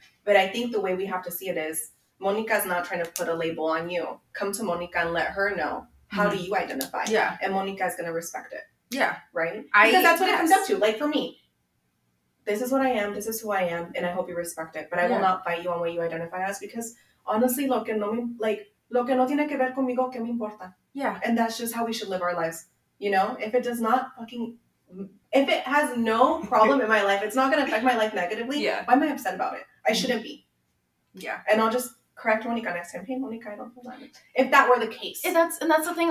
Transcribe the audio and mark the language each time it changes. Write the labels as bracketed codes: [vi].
[en] But I think the way we have to see it is, Monica's not trying to put a label on you. Come to Monica and let her know, how do you identify? Yeah. And Monica's going to respect it. Yeah. Right? Because that's what it comes up to. Like for me. This is what I am. This is who I am. And I hope you respect it. But I will not fight you on what you identify as. [es] Because honestly, lo que no tiene que ver conmigo, que me importa. [en] Yeah. And that's just how we should live our lives. You know, if it does not fucking, if it has no problem in my life, it's not going to affect my life negatively. Yeah. Why am I upset about it? I shouldn't be. Yeah. And I'll just correct Monica next time. Hey, Monica, I don't feel that. If that were the case. And that's the thing.